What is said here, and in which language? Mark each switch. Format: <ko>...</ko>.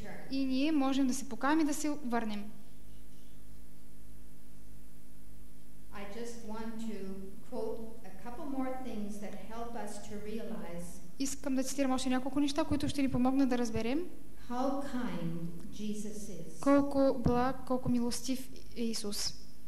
<bg>И ние можем да се покаем и да се върнем.</bg> <en>I just want to quote a couple more things that help us to realize.</en> <bg>Искам да цитирам още няколко неща, които ще ни помогнат да разберем</bg> <en>how kind Jesus is.</en> <bg>Колко благ, колко милостив е Исус.</bg>